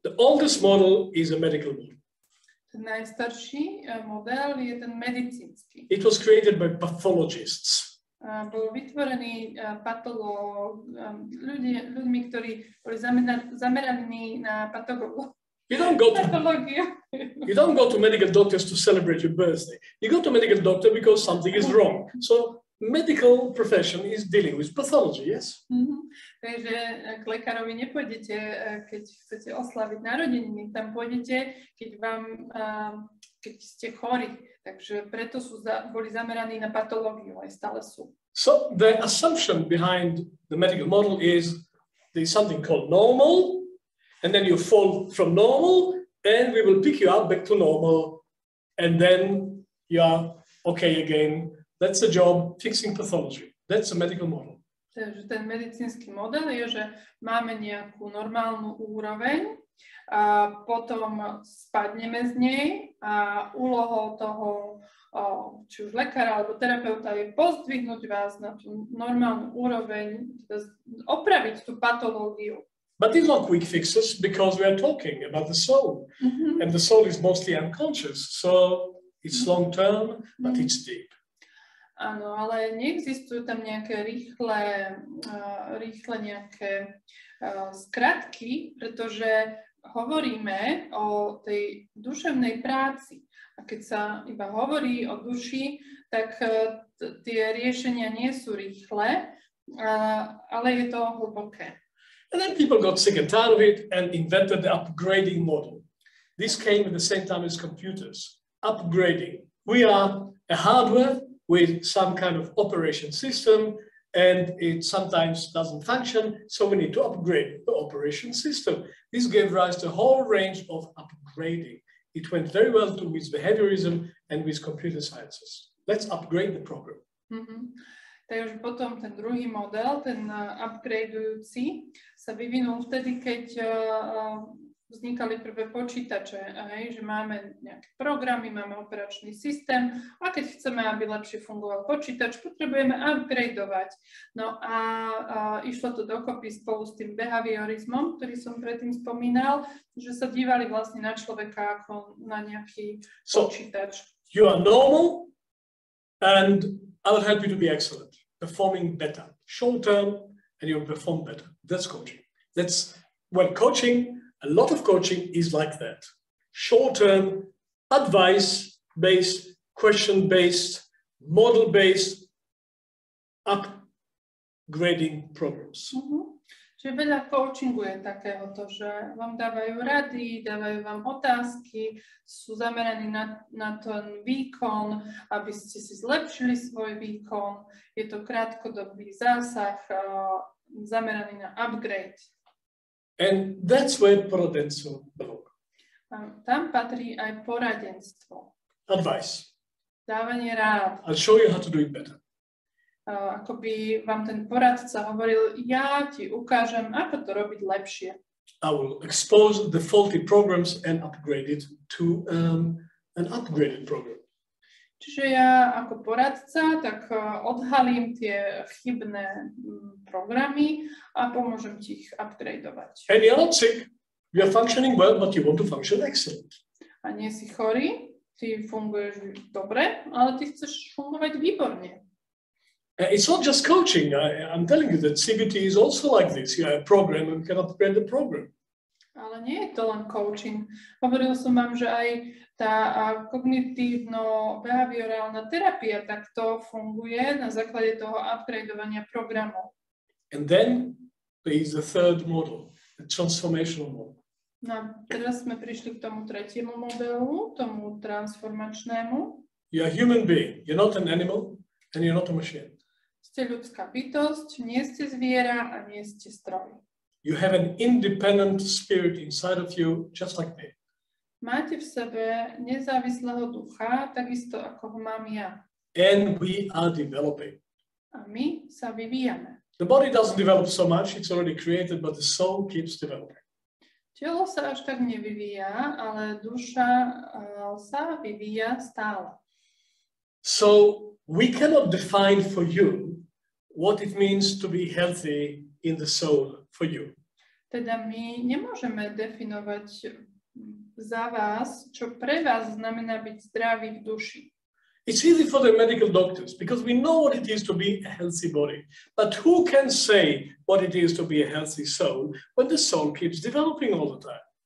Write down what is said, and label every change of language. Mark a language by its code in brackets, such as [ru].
[en] The oldest model is a medical model. [sk] Ten najstarší model je ten medicínsky. [en] It was created by pathologists. [sk] Bol vytvorený patológ, ľuďmi, ktorí boli zameraní na patológiu. [en] You don't go to medical doctors to celebrate your birthday. You go to medical doctor because something is wrong. So medical profession is dealing with pathology, yes? [sk] Takže k lekárovi nepôjdete, keď chcete oslaviť narodeniny, tam pôjdete, keď vám, keď ste chorí. Takže preto sú boli zameraní na patológiu, aj stále sú. [en] So the assumption behind the medical model is there's something called normal, and then you fall from normal, and we will pick you up back to normal, and then you are okay again. That's the job, fixing pathology. That's the medical model. [sk] Takže ten medicínsky model je, že máme nejakú normálnu úroveň, a potom spadneme z nej a úlohou toho, či už lekára alebo terapeuta, je pozdvihnúť vás na tú normálnu úroveň, teda opraviť tú patológiu. [en] But these are quick fixes because we are talking about the soul. Mm-hmm. And the soul is mostly unconscious. So it's long term, but it's deep. [sk] Áno, ale neexistujú tam nejaké rýchle nejaké skratky, pretože hovoríme o tej duševnej práci. A keď sa iba hovorí o duši, tak tie riešenia nie sú rýchle, ale je to hlboké. [en] And then people got sick and tired of it and invented the upgrading model. This came at the same time as computers. Upgrading. We are a hardware with some kind of operation system and it sometimes doesn't function, so we need to upgrade the operation system. This gave rise to a whole range of upgrading. It went very well too with behaviorism and with computer sciences. Let's upgrade the program. [sk] Takže potom ten druhý model, ten upgradeujúci, sa vyvinul vtedy, keď vznikali prvé počítače, hej, že máme nejaké programy, máme operačný systém a keď chceme, aby lepšie fungoval počítač, potrebujeme upgradeovať. No a išlo to dokopy spolu s tým behaviorizmom, ktorý som predtým spomínal, že sa dívali vlastne na človeka ako na nejaký počítač. [en] You are normal and I will help you to be excellent, performing better, short term, and you'll perform better. That's coaching. That's, well, coaching, a lot of coaching is like that. Short term, advice-based, question-based, model-based, upgrading programs. [sk] Čiže veľa coachingu je takéhoto, že vám dávajú rady, dávajú vám otázky, sú zameraní na ten výkon, aby ste si zlepšili svoj výkon. Je to krátkodobý zásah, zameraný na upgrade. [en] And that's where poradenstvo belong. [sk] Tam patrí aj poradenstvo. [en] Advice. [sk] Dávanie rád. [en] I'll show you how to do it better. [sk] Ako by vám ten poradca hovoril, ja ti ukážem, ako to robiť lepšie. [en] I will expose the faulty programs and upgrade it to an upgraded program. [sk] Čiže ja ako poradca, tak odhalím tie chybné programy a pomôžem ti ich upgradeovať. [en] And you're not sick. You are functioning well, but you want to function excellent. [sk] A nie si chorý, ty funguješ dobre, ale ty chceš fungovať výborne. [en] It's not just coaching. I'm telling you that CBT is also like this. You have a program and you cannot upgrade the program. [sk] Ale nie je to len coaching. Hovoril som vám, že aj tá kognitívno-behaviorálna terapia takto funguje na základe toho upgradeovania programu. [en] And then there is the third model, the transformational model. [sk] No, teraz sme prišli k tomu tretiemu modelu, tomu transformačnému. [en] You are a human being. You're not an animal and you're not a machine. [sk] Ste ľudská bytosť, nie ste zviera a nie ste stroj. [en] You have an independent spirit inside of you, just like me. [sk] Máte v sebe nezávislého ducha, takisto ako ho mám ja. [en] And we are developing. [sk] A my sa vyvíjame. [en] The body doesn't develop so much, it's already created, but the soul keeps developing. [sk] Telo sa až tak nevyvíja, ale duša sa vyvíja stále. [en] So we cannot define for you what it means to be healthy in the soul for you. [sk] Teda my nemôžeme definovať za vás, čo pre vás znamená byť zdravý v duši. [en] It's easy for the medical doctors because we know what it is to be a healthy body. But who can say what it is to be a healthy soul when the soul keeps developing all the time?